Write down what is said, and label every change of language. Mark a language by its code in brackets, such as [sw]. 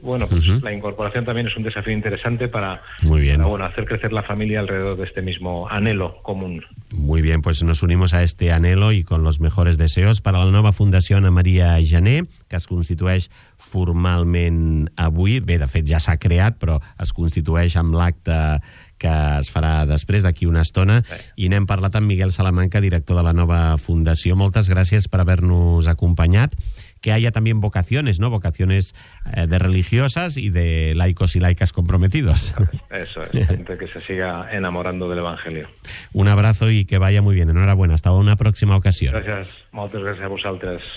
[es] Bueno, pues uh-huh. La incorporación también es un desafío interesante para, muy bien, para, bueno, hacer crecer la familia alrededor de este mismo anhelo común. Muy bien, pues nos unimos a este anhelo y con los mejores deseos para la nova Fundació Ana María Jané, [ca] que es constitueix formalment avui. Bé, de fet, ja s'ha creat, però es constitueix amb l'acte que es farà després, d'aquí una estona. Bé. I n'hem parlat amb Miguel Salamanca, director de la nova Fundació. Moltes gràcies per haver-nos acompanyat. [es] Que haya también vocaciones, ¿no? Vocaciones de religiosas y de laicos y laicas comprometidos. Eso es, gente que se siga enamorando del Evangelio. Un abrazo y que vaya muy bien. Enhorabuena. Hasta una próxima ocasión. Gracias. Muchas gracias a vosotros.